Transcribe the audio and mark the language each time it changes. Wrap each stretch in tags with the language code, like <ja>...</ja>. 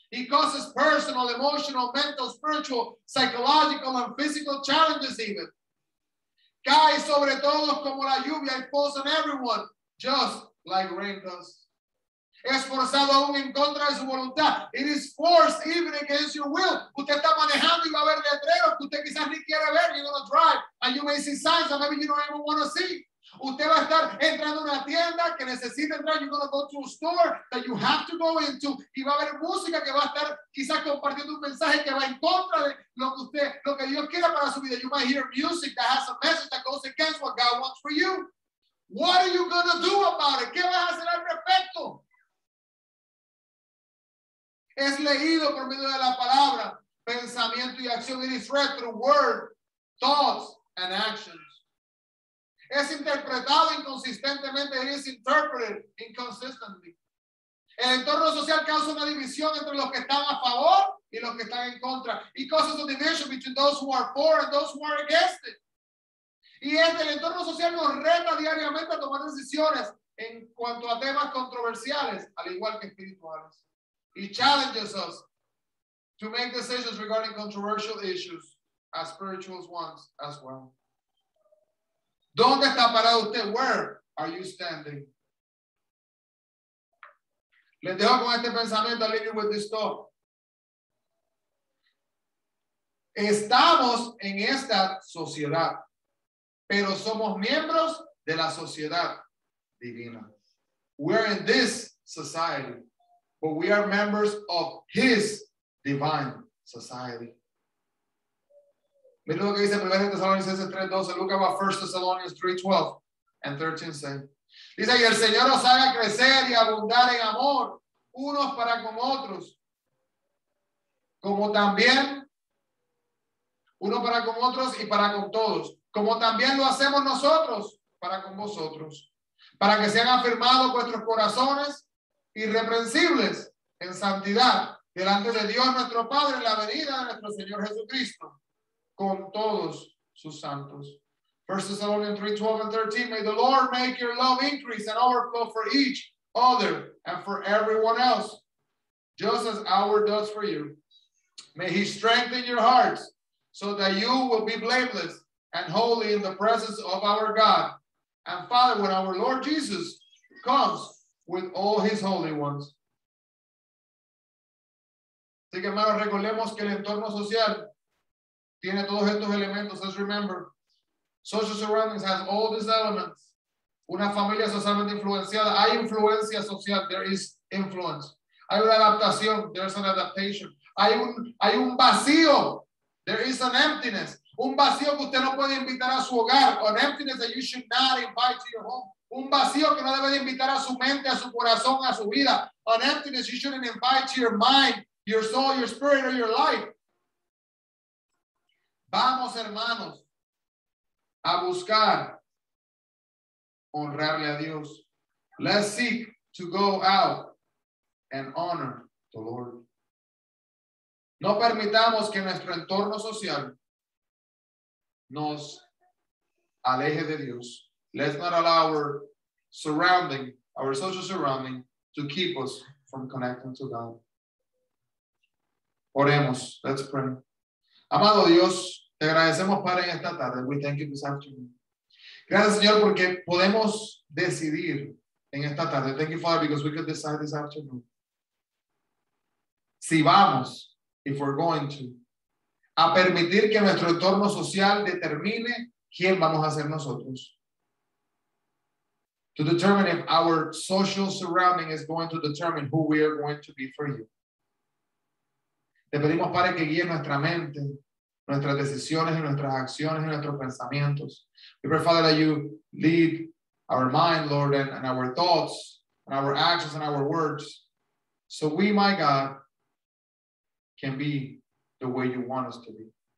<en>It causes personal, emotional, mental, spiritual, psychological and physical challenges even.</en> <es>Cae sobre todos como la lluvia y</es> <en>falls on everyone, just like rain does.</en> <es>Es forzado aún en contra de su voluntad.</es> <en>It is forced even against your will.</en> <es>Usted está manejando y va a ver letreros que usted quizás ni quiere ver.</es> <en>You're going to drive and you may see signs that maybe you don't even want to see.</en> <es>Usted va a estar entrando a una tienda que necesita entrar.</es> <en>You're going to go to a store that you have to go into.</en> <es>Y va a haber música que va a estar quizás compartiendo un mensaje que va en contra de lo que usted, lo que Dios quiera para su vida.</es> <en>You might hear music that has a message that goes against what God wants for you. What are you going to do about it?</en> <es>¿Qué vas a hacer al respecto? Es leído por medio de la palabra, pensamiento y acción.</es> <en>It is read through word, thoughts, and actions.</en> <es>Es interpretado inconsistentemente.</es> <en>It is interpreted inconsistently.</en> <es>El entorno social causa una división entre los que están a favor y los que están en contra.</es> <en>It causes a division between those who are for and those who are against it.</en> <es>Y este, el entorno social nos reta diariamente a tomar decisiones en cuanto a temas controversiales, al igual que espirituales.</es> <en>He challenges us to make decisions regarding controversial issues as spiritual ones as well.</en> <es>¿Dónde está parado usted?</es> <en>Where are you standing?</en> <es>Les dejo con este pensamiento,</es> <en>I'll leave you with this thought.</en> <es>Estamos en esta sociedad, pero somos miembros de la sociedad divina.</es> <en>We're in this society. But we are members of his divine society.</en> <es>Mira lo que dice</es> <en>1 Thessalonians 3:12, look at what 1 Thessalonians 3:12 and 13 say.</en> <es>Dice, y el Señor os haga crecer y abundar en amor, unos para con otros, como también, uno para con otros y para con todos, como también lo hacemos nosotros para con vosotros, para que sean afirmados vuestros corazones, irreprensibles en santidad delante de Dios nuestro Padre en la venida de nuestro Señor Jesucristo con todos sus santos.</es> <en>1 Thessalonians 3:12-13, may the Lord make your love increase and overflow for each other and for everyone else, just as our does for you. May he strengthen your hearts so that you will be blameless and holy in the presence of our God and Father when our Lord Jesus comes with all his holy ones.</en> <es>Así que hermanos, recordemos que el entorno social tiene todos estos elementos.</es> <en>Let's remember, social surroundings has all these elements.</en> <es>Una familia socialmente influenciada. Hay influencia social.</es> <en>There is influence.</en> <es>Hay una adaptación.</es> <en>There's an adaptation.</en> <es>Hay un vacío.</es> <en>There is an emptiness.</en> <es>Un vacío que usted no puede invitar a su hogar.</es> <en>An emptiness that you should not invite to your home.</en> <es>Un vacío que no debe de invitar a su mente, a su corazón, a su vida.</es> <en>An emptiness you shouldn't invite to your mind, your soul, your spirit, or your life.</en> <es>Vamos, hermanos, a buscar honrarle a Dios.</es> <en>Let's seek to go out and honor the Lord.</en> <es>No permitamos que nuestro entorno social nos aleje de Dios.</es> <en>Let's not allow our surrounding, our social surrounding, to keep us from connecting to God.</en> <es>Oremos.</es> <en>Let's pray.</en> <es>Amado Dios, te agradecemos, Padre, en esta tarde.</es> <en>We thank you this afternoon.</en> <es>Gracias, Señor, porque podemos decidir en esta tarde.</es> <en>Thank you, Father, because we could decide this afternoon.</en> <es>Si vamos,</es> <en>if we're going to,</en> <es>a permitir que nuestro entorno social determine quién vamos a ser nosotros.</es> <en>To determine if our social surrounding is going to determine who we are going to be for you.</en> <es>Te pedimos, Padre, que guíe nuestra mente, nuestras decisiones y nuestras acciones y nuestros pensamientos.</es> <en>We pray, Father, that you lead our mind, Lord, and our thoughts, and our actions, and our words. So we, my God, can be the way you want us to be.</en>